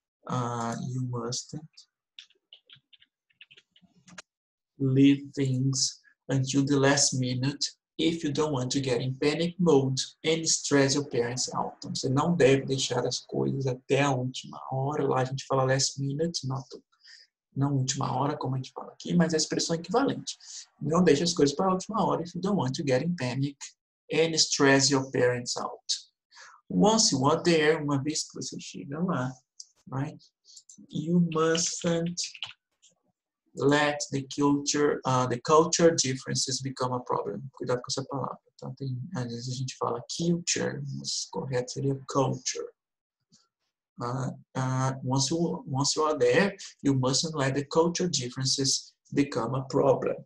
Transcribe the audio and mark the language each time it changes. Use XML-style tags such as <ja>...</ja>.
<en>You mustn't leave things until the last minute if you don't want to get in panic mode and stress your parents out.</en> <pt>Então, você não deve deixar as coisas até a última hora. Lá a gente fala last minute, não última hora, como a gente fala aqui, mas a expressão é equivalente. Não deixe as coisas para a última hora</pt> <en>if you don't want to get in panic and stress your parents out. Once you are there,</en> <pt>uma vez que você chega lá,</pt> <en>right, you mustn't let the culture differences become a problem.</en> <pt>Cuidado com essa palavra. Então, às vezes a gente fala culture, mas correto seria culture.</pt> <en>Once you are there, you mustn't let the culture differences become a problem.</en>